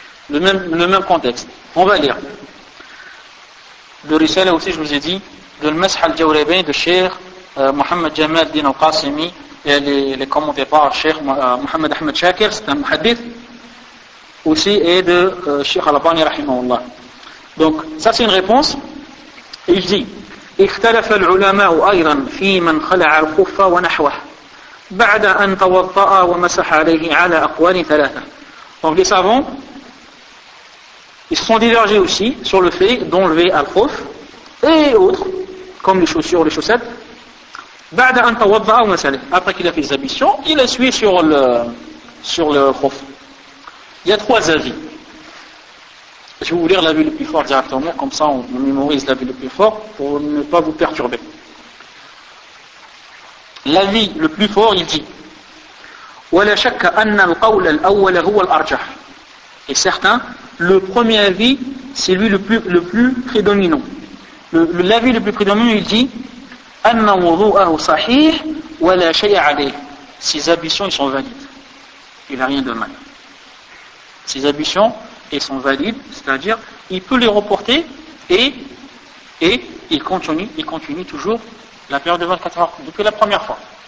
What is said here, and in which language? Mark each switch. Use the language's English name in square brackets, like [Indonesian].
[French] Le même contexte. On va lire. Le Risale aussi, je vous ai dit, de l'Mesh al-Jawrabin de Cheikh Mohamed Jamal Din al-Qasimi, et les commentaires par Cheikh Mohamed Ahmed Shakir, c'est un hadith aussi, et de Cheikh Al-Bani Rahimahullah. Donc, ça c'est une réponse. Il dit, [Arabic] اختلف العلماء أيضا في من خلع الخف ونحوه بعد أن توضأ ومسح عليه على أقوال ثلاثة. [French] Donc les savants, ils sont divergés aussi sur le fait d'enlever al-khuf et autres, comme les chaussures ou les chaussettes. [Arabic] بعد أن توضأ ومسح. [French] Après qu'il a fait sa mission, il a sué sur le khuf. Il y a trois avis. Je vais vous lire l'avis le plus fort directement, comme ça on mémorise l'avis le plus fort pour ne pas vous perturber. L'avis le plus fort, il dit [Arabic] وَلَا شَكَّ أَنَّ الْقَوْلَ الْأَوَّلَ هُوَ الْأَرْجَحِ. [French] Et certain, le premier avis, c'est lui le plus prédominant. L'avis le plus prédominant, il dit [Arabic] أَنَّ وَضُوءَهُ صَحِيحٌ وَلَا شَيْءَ عَلَيْهِ. [French] Ses ablutions, ils sont valides. Il n'a rien de mal. Ses ablutions et sont valides, c'est-à-dire il peut les reporter et il continue toujours la période de 24 heures depuis la première fois.